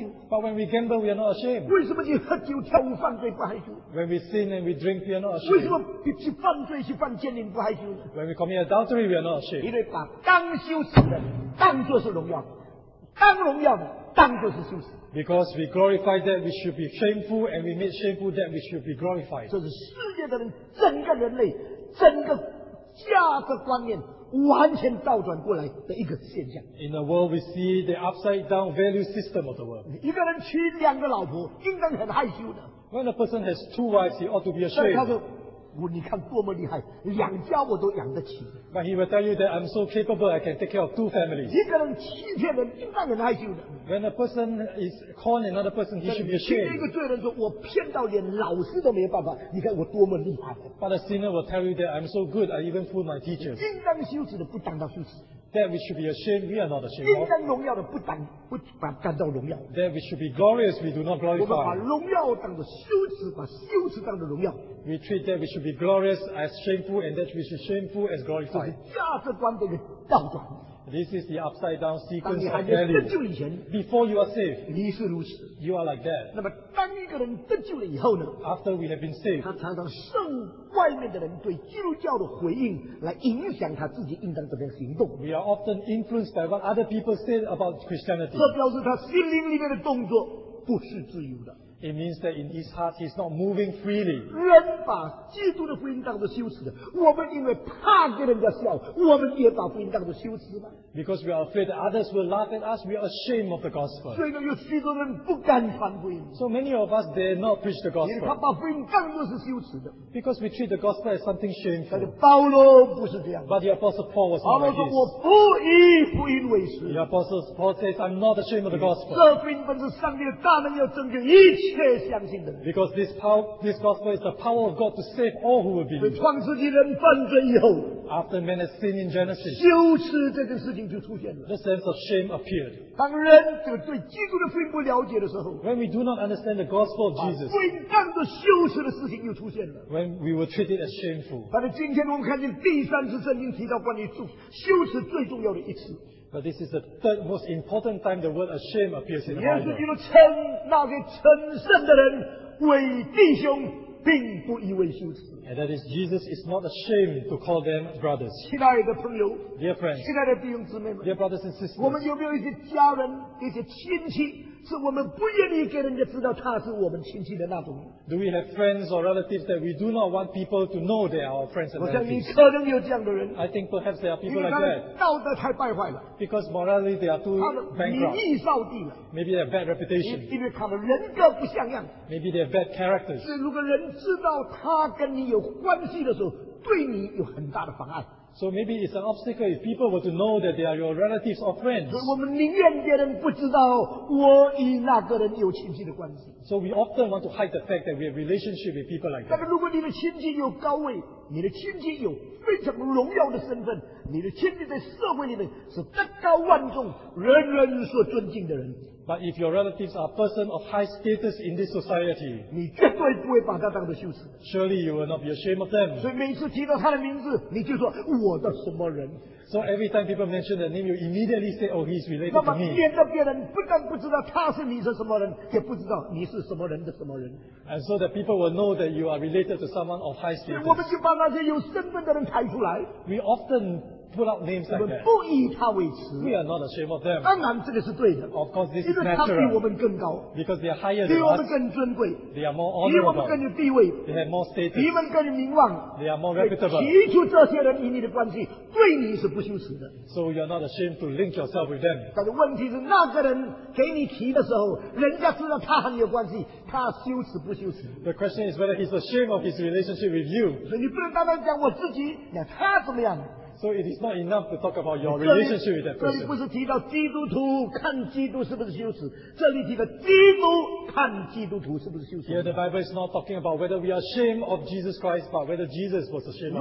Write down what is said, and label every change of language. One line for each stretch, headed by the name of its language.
English: But when we gamble, we are not ashamed. When we sin and we drink, we are not ashamed. When we commit adultery, we are not ashamed. Because we glorify that which should be shameful, and we make shameful that which should be glorified.
Chinese: 这是世界的人，整个人类，整个价值观念完全倒转过来的一个现象。
English: In the world, we see the upside down value system of the world.
Chinese: 一个人娶两个老婆，应该很害羞的。
English: When a person has two wives, he ought to be ashamed.
Chinese: 但他说，你看多么厉害，两家我都养得起。
English: But he will tell you that I'm so capable I can take care of two families.
Chinese: 一个人欺骗人，应当很害羞的。
English: When a person is con another person, he should be ashamed.
Chinese: 一个罪人说，我骗到连老师都没有办法，你看我多么厉害。
English: But a sinner will tell you that I'm so good, I even fool my teachers.
Chinese: 应当羞耻的不当到羞耻。
English: That we should be ashamed, we are not ashamed.
Chinese: 应当荣耀的不当不把当到荣耀。
English: That we should be glorious, we do not glorify.
Chinese: 我们把荣耀当作羞耻，把羞耻当作荣耀。
English: We treat that we should be glorious as shameful, and that we should be shameful as glorified. This is the upside down sequence of value. Before you are saved, you are like that.
Chinese: 那么当一个人得救了以后呢？
English: After we have been saved,
Chinese: 他常常受外面的人对基督教的回应来影响他自己应当怎么样行动。
English: We are often influenced by what other people say about Christianity.
Chinese: 这表示他心灵里面的动作不是自由的。
English: It means that in his heart he's not moving freely.
Chinese: 人把基督的福音当作羞耻的，我们因为怕给人家笑，我们也把福音当作羞耻吧。
English: Because we are afraid that others will laugh at us, we are ashamed of the gospel.
Chinese: 所以呢，有许多人不敢传福音。
English: So many of us dare not preach the gospel.
Chinese: 因为他把福音当作是羞耻的。
English: Because we treat the gospel as something shameful.
Chinese: 但是保罗不是这样。
English: But the apostle Paul was not like this.
Chinese: 保罗说：“我不以福音为耻。”
English: The apostle Paul says, "I'm not ashamed of the gospel."
Chinese: 这福音本是上帝的大能，要拯救一切。切相信的人。
English: Because this power, this gospel is the power of God to save all who will believe.
Chinese: 创世纪人犯罪以后
English: ，After man has sinned in Genesis，
Chinese: 羞耻这件事情就出现了。
English: The sense of shame appeared.
Chinese: 当人这个对基督的福音不了解的时候
English: ，When we do not understand the gospel of Jesus，
Chinese: 把罪当作羞耻的事情又出现了。
English: When we were treated as shameful，
Chinese: 但是今天我们看见第三次圣经提到关于祝羞耻最重要的一次。
English: But this is the third most important time the word ashamed appears in the Bible. And that is, Jesus is not ashamed to call them brothers.
Chinese: 亲爱的朋友,
English: dear friends,
Chinese: 亲爱的弟兄姊妹们,
English: dear brothers and sisters,
Chinese: 我们有没有一些家人, 一些亲戚, 是我们不愿意给人家知道他是我们亲戚的那种?
English: Do we have friends or relatives that we do not want people to know they are our friends and relatives?
Chinese: 我想你可能有这样的人,
English: I think perhaps there are people like that.
Chinese: 道德太败坏了,
English: because morally they are too bankrupt. Maybe they have bad reputation.
Chinese: 因为他们人格不像样,
English: maybe they have bad characters.
Chinese: 所以如果人知道他跟你有关系的时候，对你有很大的妨碍。
English: So maybe it's an obstacle if people were to know that they are your relatives or friends.
Chinese: 我们宁愿别人不知道我与那个人有亲戚的关系。
English: So we often want to hide the fact that we have relationship with people like that.
Chinese: 但是如果你的亲戚有高位，你的亲戚有非常荣耀的身份，你的亲戚在社会里面是德高望重、人人所尊敬的人。
English: But if your relatives are person of high status in this society,
Chinese: 你绝对不会把他当作羞耻。
English: Surely you will not be ashamed of them.
Chinese: 所以每次提到他的名字，你就说我的什么人。
English: So every time people mention the name, you immediately say, oh, he's related to me.
Chinese: 那么免得别人不但不知道他是你是什么人，也不知道你是什么人的什么人。
English: And so that people will know that you are related to someone of high status.
Chinese: 我们就把那些有身份的人抬出来。
English: We often put out names like that.
Chinese: 我们不以他为耻。
English: We are not ashamed of them.
Chinese: 当然这个是对的。
English: Of course, this is natural.
Chinese: 因为他比我们更高。
English: Because they are higher than us.
Chinese: 比我们更尊贵。
English: They are more honorable.
Chinese: 比我们更有地位。
English: They have more status.
Chinese: 比我们更有名望。
English: They are more reputable.
Chinese: 提出这些人与你的关系，对你是不羞耻的。
English: So you are not ashamed to link yourself with them.
Chinese: 但是问题是，那个人给你提的时候，人家知道他和你有关系，他羞耻不羞耻？
English: The question is whether he's ashamed of his relationship with you.
Chinese: 所以你不能单单讲我自己，那他怎么样？
English: So it is not enough to talk about your relationship with that person.
Chinese: 这里不是提到基督徒看基督是不是羞耻，这里提到基督看基督徒是不是羞耻。
English: Here the Bible is not talking about whether we are ashamed of Jesus Christ, but whether Jesus was ashamed of us.